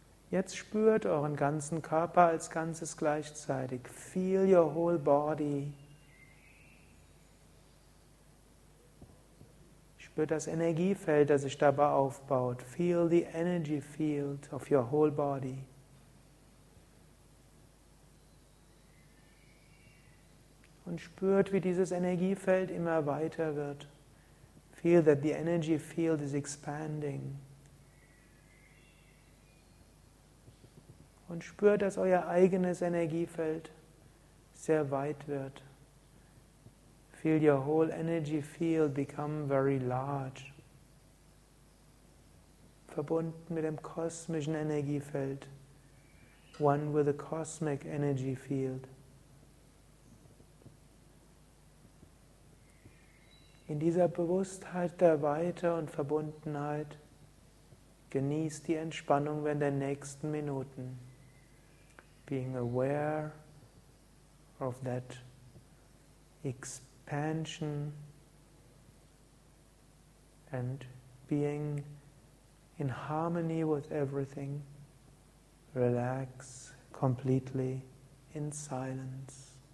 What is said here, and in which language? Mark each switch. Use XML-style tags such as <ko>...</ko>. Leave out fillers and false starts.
<de>Jetzt spürt euren ganzen Körper als Ganzes gleichzeitig.</de> <en>Feel your whole body.</en> <de>Spürt das Energiefeld, das sich dabei aufbaut.</de> <en>Feel the energy field of your whole body.</en> <de>Und spürt, wie dieses Energiefeld immer weiter wird.</de> <en>Feel that the energy field is expanding.</en> <de>Und spürt, dass euer eigenes Energiefeld sehr weit wird.</de> <en>Feel your whole energy field become very large.</en> <de>Verbunden mit dem kosmischen Energiefeld.</de> <en>One with the cosmic energy field.</en> <de>In dieser Bewusstheit der Weite und Verbundenheit genießt die Entspannung während der nächsten Minuten.</de> <en>Being aware of that expansion and being in harmony with everything, relax completely in silence.</en>